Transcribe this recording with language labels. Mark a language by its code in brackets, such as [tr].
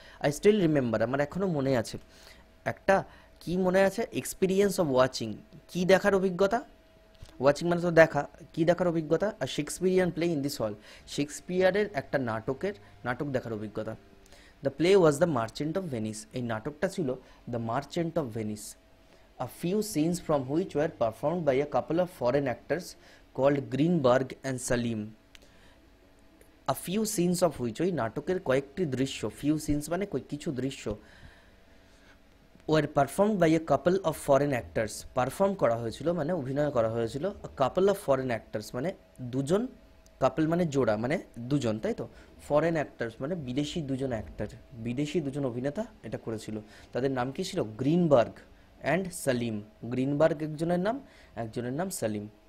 [en] I still remember, [bn] আমার এখনও মনে আছে। একটা কী মনে আছে? [en] experience of watching, [bn] কী দেখার অভিজ্ঞতা। ওয়াচিং মানে তো দেখা, কী দেখার অভিজ্ঞতা? আর [en] Shakespearean play in this hall, [bn] শেক্সপিয়ারের একটা নাটক দেখার অভিজ্ঞতা। [en] the play was the Merchant of Venice, [bn] এই নাটকটা ছিল the merchant of Venice. [en] A few scenes from which were performed by a couple of foreign actors called Greenberg and Salim. A few scenes of which [bn] ওই নাটকের কয়েকটি দৃশ্য, [en] few scenes [bn] মানে কয়েক কিছু দৃশ্য, [en] were performed by a couple of foreign actors. [bn] Perform করা হয়েছিল মানে অভিনয় করা হয়েছিল, [en] a couple of foreign actors [bn] মানে দুজন, couple মানে জোড়া মানে দুজন, তাই তো? Foreign actors মানে বিদেশি দুজন অ্যাক্টর, বিদেশি দুজন অভিনেতা এটা করেছিল. তাদের নাম কি ছিল? Greenberg and Salim. গ্রিনবার্গ একজনের নাম, একজনের নাম সালিম.